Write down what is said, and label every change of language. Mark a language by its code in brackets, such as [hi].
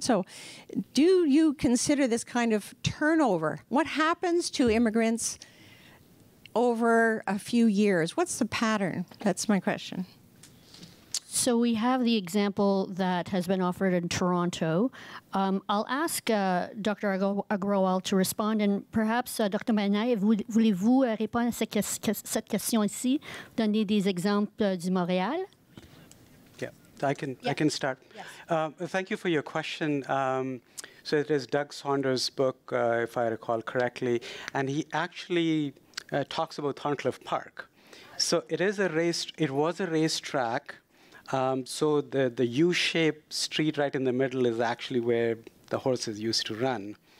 [en] So do you consider this kind of turnover? What happens to immigrants over a few years? What's the pattern? That's my question. So we have the example that has been offered in Toronto. I'll ask Dr. Agrawal to respond, and perhaps Dr. [fr] Manaï, voulez-vous répondre à cette question ici, donner des exemples du Montréal? [en] I can start. Yes. Thank you for your question. So it is Doug Saunders' book, if I recall correctly, and he actually talks about Thorncliffe Park. So it is a race. It was a racetrack. So the U-shaped street right in the middle is actually where the horses used to run.